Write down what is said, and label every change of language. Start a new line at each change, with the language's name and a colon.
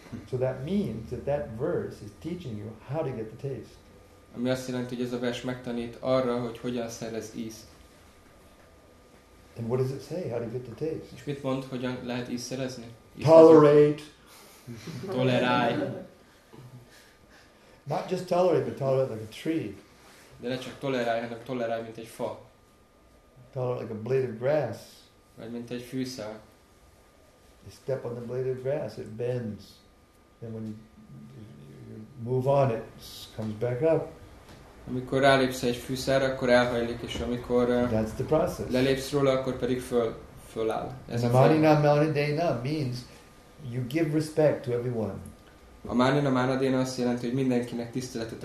English: So that means that verse is teaching you how to get the taste.
Hungarian: Ami azt jelenti, hogy ez a vers megtanít arra, hogy hogyan szerez ízt.
English: And what does it say? How to get the taste?
Hungarian: És mit mond, hogyan lehet ízt szerezni?
English: Tolerate.
Hungarian: Tolerálj.
English: Not just tolerate, but tolerate like a tree.
Hungarian: De ne csak tolerálj, hanem tolerálj, mint egy fa.
English: Tolerate like a blade of grass.
Hungarian: Vagy mint egy fűszál.
English: You step on the blade of grass, it bends. Then when you move on, it comes back up.
Hungarian: Amikor rálépsz egy fűszerre, akkor elhajlik, és amikor
English: that's the process.
Hungarian: Lelépsz róla, akkor pedig föláll.
English: Ez a
Sanskrit: mani na mana dena
English: means you give respect to everyone.
Hungarian: A
Sanskrit: mani na mana dena
Hungarian: azt jelenti, hogy mindenkinek tiszteletet